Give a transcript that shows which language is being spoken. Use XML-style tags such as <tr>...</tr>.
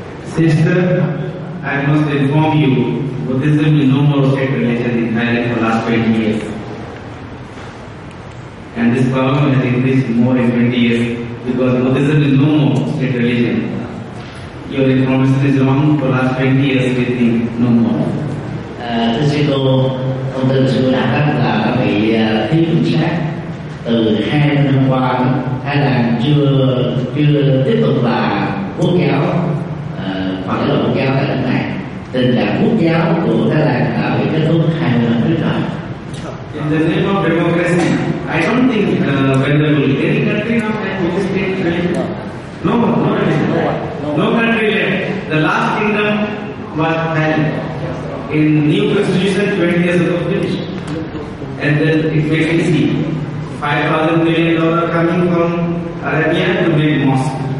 <en>Sister, I must inform you, Buddhism is no more state religion in Thailand for the last 20 years. And this problem has increased more in 20 years because Buddhism is no more state religion. Your information is wrong for the last 20 years, we think, no more. This is all.</en> <vi>Thông tin sư đã là các vị thiếu chính xác. Từ 2 năm qua, Thái Lan chưa tiếp tục là quốc giáo, hoặc là quốc giáo tại nước này. Tình trạng quốc giáo của Thái Lan đã bị kết thúc 2 năm trước rồi.</vi> <en>In the name of democracy, I don't think venerable any country now can participate in religion. No country left. The last kingdom was Thailand. In new constitution 20 years ago finished. And then it makes me see $5,000 million coming from Arabia to build mosque.</en>